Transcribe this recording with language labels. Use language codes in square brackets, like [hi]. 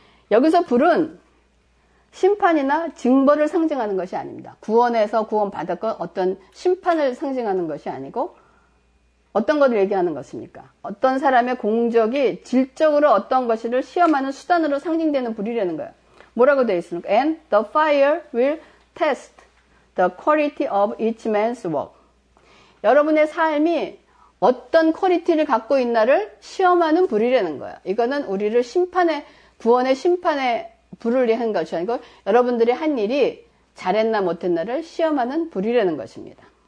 [ko] 여기서 불은 심판이나 징벌을 상징하는 것이 아닙니다. 구원에서 구원 받았건 어떤 심판을 상징하는 것이 아니고 어떤 것을 얘기하는 것입니까? 어떤 사람의 공적이 질적으로 어떤 것을 시험하는 수단으로 상징되는 불이라는 거예요. 뭐라고 되어 있습니까? [en] And the fire will test the quality of each man's work. [ko] 여러분의 삶이 어떤 퀄리티를 갖고 있나를 시험하는 불이라는 거야. 이거는 우리를 심판의, 구원의 심판의 불을 위한 것이 아니고 여러분들이 한 일이 잘했나 못했나를 시험하는 불이라는 것입니다.